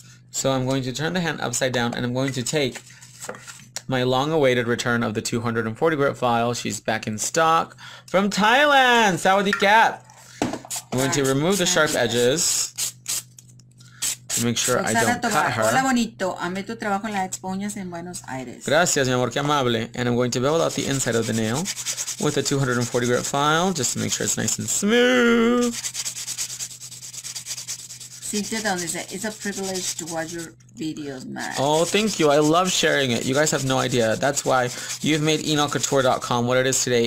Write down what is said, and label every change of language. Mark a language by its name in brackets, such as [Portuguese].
[English] So I'm going to turn the hand upside down and I'm going to take my long-awaited return of the 240 grit file. She's back in stock from Thailand. [Thai] Sawadee kap. [English] I'm going to remove the sharp edges to make sure I don't cut her. [Spanish] Hola bonito, amé tu trabajo en las expoñas en Buenos Aires. Gracias, mi amor, que amable. [English] And I'm going to bevel out the inside of the nail with a 240 grit file just to make sure it's nice and smooth. It's a privilege to watch your videos, Matt. Oh, thank you. I love sharing it. You guys have no idea. That's why you've made EnochCouture.com what it is today.